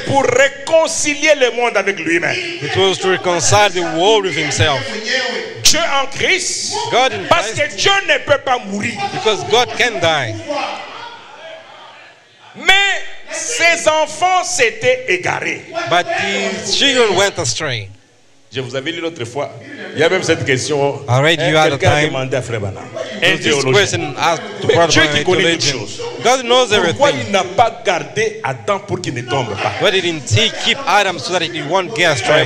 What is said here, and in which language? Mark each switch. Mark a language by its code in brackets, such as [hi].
[fr] pour réconcilier le monde avec lui-même. [en] It was to reconcile the world with himself. [fr] Dieu en Christ. [en] God in [fr] parce [en] Christ, [fr] que Dieu ne peut pas mourir. [en] Because God can die. [fr] Mais ses enfants s'étaient égarés. [en] But his children went astray. [fr] Je vous avais lu l'autre fois. Il y a même cette question. [en] Already you had [fr] quelqu'un [en] a time. [fr] A demandé à Frère Branham. [en] Question asked to Brother [fr] Branham. Dieu qui connaît toutes choses. [en] God knows everything. [fr] Pourquoi il n'a pas gardé Adam pour qu'il ne tombe pas? [en] Why didn't he keep Adam so that he won't get astray?